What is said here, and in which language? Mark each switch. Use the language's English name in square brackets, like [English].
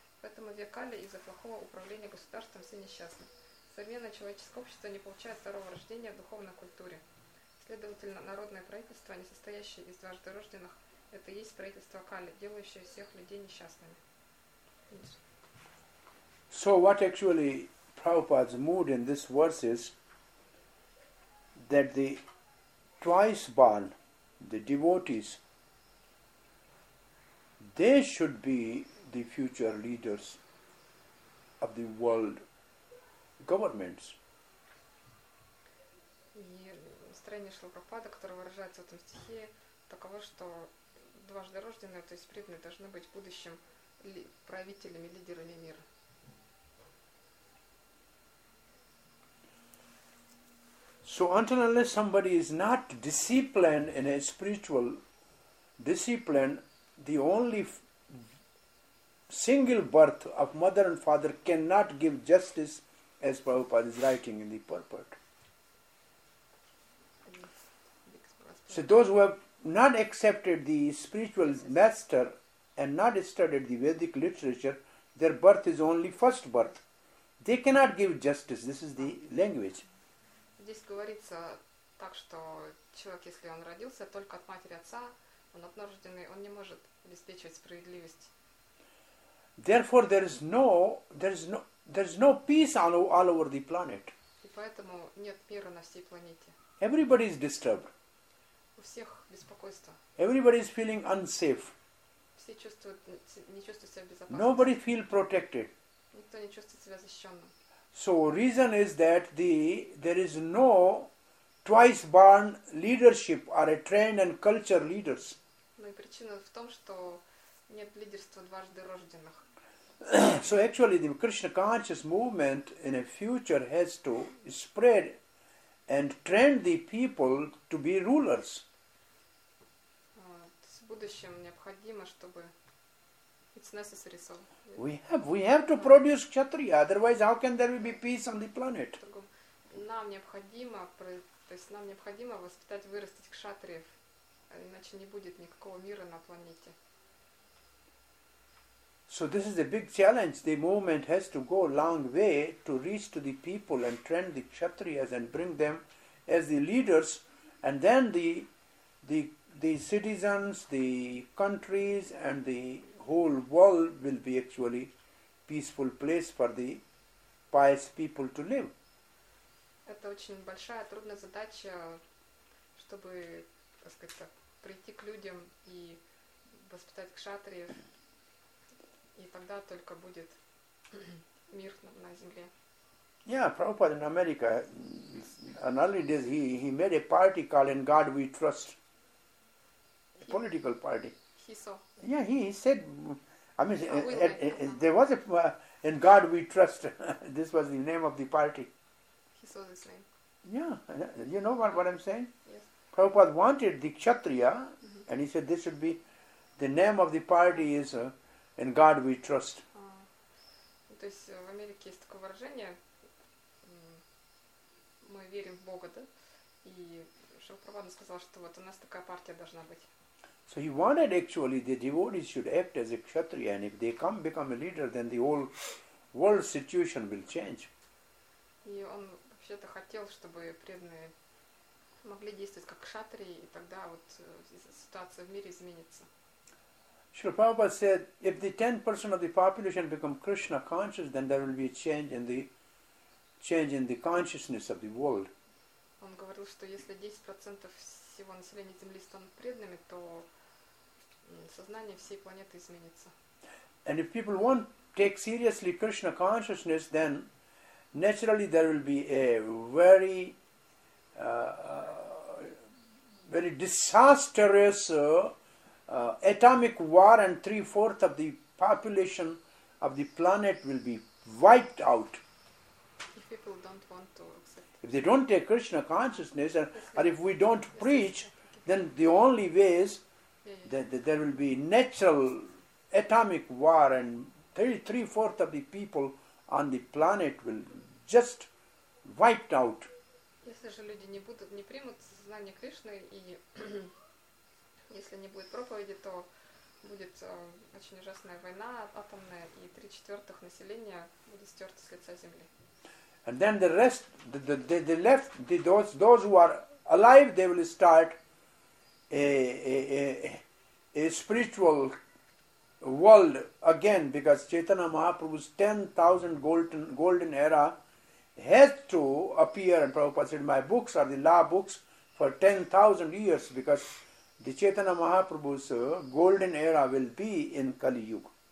[Russian] Поэтому векали из-за плохого управления государством все несчастны. Современное человеческое общество не получает второго рождения в духовной культуре. Следовательно, народное правительство, не состоящее из дважды рожденных, это и есть правительство Кали, делающее всех людей несчастными. [English] So what actually Prabhupada's mood in this verse is that the twice born, the devotees, they should be the future leaders of the world governments. [Russian] Настроение Шрилы Прабхупады, которое выражается в этом стихе, таково, что дважды рожденные, то есть преданные, должны быть будущим правителями, лидерами мира. [English] So until unless somebody is not disciplined in a spiritual discipline, the only single birth of mother and father cannot give justice, as Prabhupada is writing in the purport. So those who have not accepted the spiritual master and not studied the Vedic literature, their birth is only first birth. They cannot give justice. This is the language. [Russian] Здесь говорится так, что человек, если он родился только от матери отца, он однорожденный, он не может обеспечивать справедливость. [English] Therefore, there is no peace all over the planet. [Russian] И поэтому нет мира на всей планете. [English] Everybody is disturbed. [Russian] У всех беспокойство. [English] Everybody is feeling unsafe. [Russian] Все чувствуют, не чувствуют себя безопасно. [English] Nobody feel protected. [Russian] Никто не чувствует себя защищенным. [English] So reason is that there is no twice born leadership or a trained and culture leaders. [Russian] Ну и причина в том, что нет лидерства дважды рожденных. [English] So actually the Krishna conscious movement in a future has to spread and train the people to be rulers. [Russian] В будущем необходимо, чтобы [English] it's necessary, so. We have to produce kshatriya, otherwise how can there be peace on the planet? [Russian] Нам необходимо, то есть нам необходимо воспитать, вырастить кшатриев, иначе не будет никакого мира на планете. [English] So this is a big challenge. The movement has to go a long way to reach to the people and train the kshatriyas and bring them as the leaders, and then the citizens, the countries and the whole world will be actually peaceful place for the pious people to live. [Russian] Это очень большая трудная задача, чтобы, так сказать, так, прийти к людям и воспитать кшатриев, и тогда только будет мир на земле. [English] Yeah, Prabhupada in America, in early days he made a party called "In God We Trust," a political party. He saw. Yeah, he said, I mean, there was a "In God We Trust." This was the name of the party. He saw this name. Yeah, you know what I'm saying? Yes. Prabhupada wanted the kshatriya, mm-hmm. and he said this should be the name of the party is "In God We Trust." [Russian] То есть в Америке есть такое выражение: мы верим в Бога, да? И Шилпрабхана сказал, что вот у нас такая партия должна быть. [English] So he wanted actually the devotees should act as a kshatriya, and if they come become a leader, then the whole world situation will change. [Russian] И он вообще-то хотел, чтобы преданные могли действовать как кшатрии, и тогда вот ситуация в мире изменится. [English] Srila Prabhupada said, if the 10% of the population become Krishna conscious, then there will be a change in the consciousness of the world. [Russian] Он говорил, что если 10% всего населения Земли станут преданными, то сознание всей планеты изменится. [English] And if people won't take seriously Krishna consciousness, then naturally there will be a very very disastrous atomic war, and 3/4 of the population of the planet will be wiped out. If people don't want to accept. If they don't take Krishna consciousness, or if we don't preach, then the only way is that there will be natural atomic war, and 3/4 of the people on the planet will just wiped out. [Russian] Если же люди не примут знание Кришны, и если не будет проповеди, то будет очень ужасная война атомная, и 3/4 населения будет стерто с лица земли. [English] And then the rest, those who are alive, they will start a spiritual world again, because Chaitanya Mahaprabhu's 10,000 golden era has to appear, and Prabhupada said my books are the law books for 10,000 years, because the Chaitanya Mahaprabhu's golden era will be in Kali Yuga.